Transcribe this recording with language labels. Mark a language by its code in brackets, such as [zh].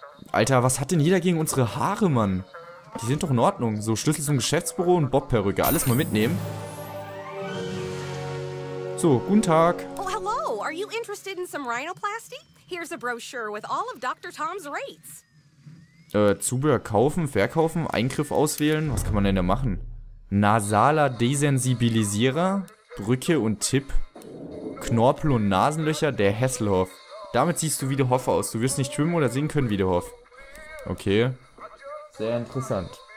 [de] Alter, was hat denn jeder gegen unsere Haare, Mann? Die sind doch in Ordnung. So, Schlüssel zum Geschäftsbüro und Bob-Perücke. Alles mal mitnehmen. So, guten Tag. [en] Oh, hello. Are you interested in some rhinoplasty? Here's a brochure with all of Dr. Tom's rates. [de] Zubehör kaufen, verkaufen, Eingriff auswählen. Was kann man denn da machen? Nasaler Desensibilisierer, Brücke und Tipp. Knorpel und Nasenlöcher, der Hasselhoff. Damit siehst du wie der Hoff aus. Du wirst nicht schwimmen oder sehen können wie der Hoff. Okay. Sehr interessant.